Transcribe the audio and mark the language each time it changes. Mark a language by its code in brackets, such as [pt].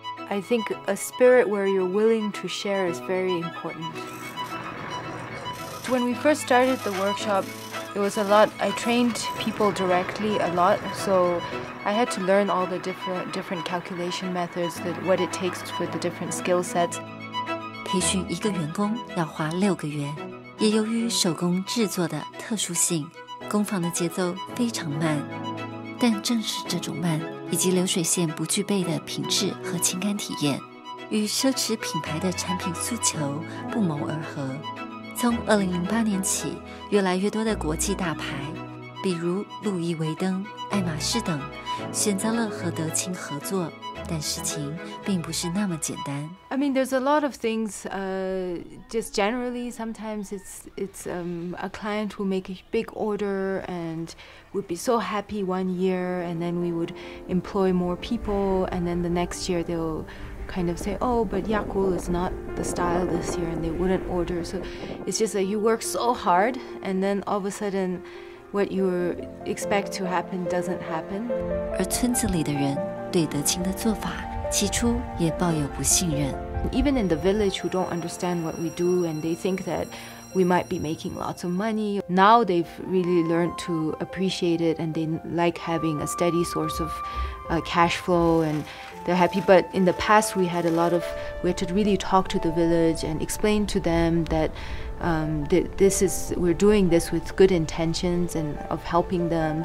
[en] I think a spirit where you're willing to share is very important. When we first started the workshop, it was a lot. I trained people directly a lot, so I had to learn all the different calculation methods, what it takes for the different skill sets. [zh] 培训一个员工要花六个月，也由于手工制作的特殊性，工坊的节奏非常慢。但正是这种慢，以及流水线不具备的品质和情感体验，与奢侈品牌的产品诉求不谋而合。从2008年起，越来越多的国际大牌，比如路易威登、爱马仕等，选择了和德清合作。但事情并不是那么简单。 [en] I mean, there's a lot of things. Just generally, sometimes it's a client who make a big order and would be so happy 1 year, and then we would employ more people, and then the next year they'll kind of say, oh, but yak wool is not the style this year, and they wouldn't order. So it's just that you work so hard, and then all of a sudden. What you expect to happen doesn't happen. [zh] 而村子里的人对德清的做法起初也抱有不信任。 [en] Even in the village who don't understand what we do and they think that we might be making lots of money, now they've really learned to appreciate it and they like having a steady source of cash flow and they're happy. But in the past we had a lot of, we had to really talk to the village and explain to them thatWe're doing this with good intentions and of helping them.